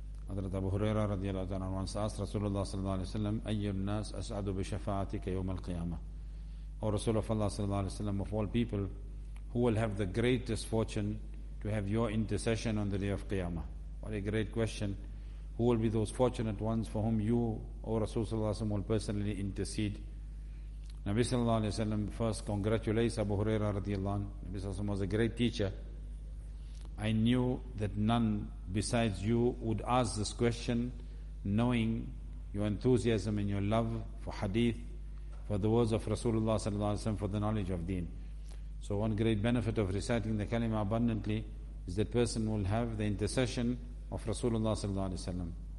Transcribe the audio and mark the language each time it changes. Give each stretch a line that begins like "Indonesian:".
Arabic: حضرت أبو هريرة رضي الله تعالى عنه سأسأل رسول الله صلى الله عليه وسلم أي الناس أسعد بشفاعتك يوم القيامة.
English: أو رسول الله صلى الله عليه وسلم, of all people, who will have the greatest fortune to have your intercession on the day of Qiyamah? What a great question. Who will be those fortunate ones for whom you, O Rasul صلى الله عليه وسلم, will personally intercede? Nabi صلى الله عليه وسلم first congratulates Abu Hurairah رضي الله عنه. Nabi صلى الله عليه وسلم was a great teacher. I knew that none besides you would ask this question, knowing your enthusiasm and your love for hadith, for the words of Rasulullah sallallahu alaihi wasallam, for the knowledge of deen. So one great benefit of reciting the kalima abundantly is that person will have the intercession of Rasulullah sallallahu alaihi wasallam.